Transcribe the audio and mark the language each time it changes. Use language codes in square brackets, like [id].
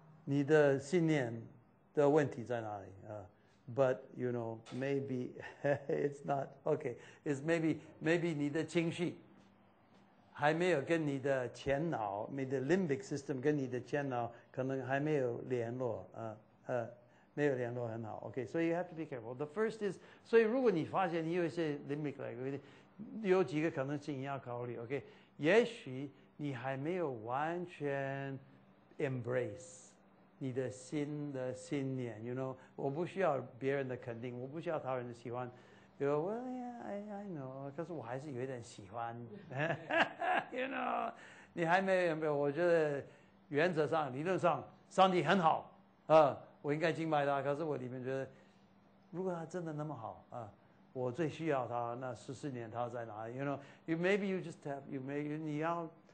[zh] 你的信念的问题在哪里 [en] But you know, maybe it's not okay. It's maybe [zh] 你的情绪还没有跟你的前脑，你的 limbic system 跟你的前脑可能还没有联络没有联络很好。 [en] Okay, so you have to be careful. The first is [zh] 所以如果你发现你有一些 limbic like 有几个可能性要考虑。 Okay, 也许你还没有完全 embrace。你的新的信念 ，you know， 我不需要别人的肯定，我不需要他人的喜欢。 [en] You know, well, yeah, I know， [zh] 可是我还是有一点喜欢。 you know， 你还没有，我觉得原则上、理论上，上帝很好啊，我应该敬拜他。可是我里面觉得，如果他真的那么好啊，我最需要他。那14年他在哪里 ？ [en] You know， maybe you just have， you may， you, [zh] 你要。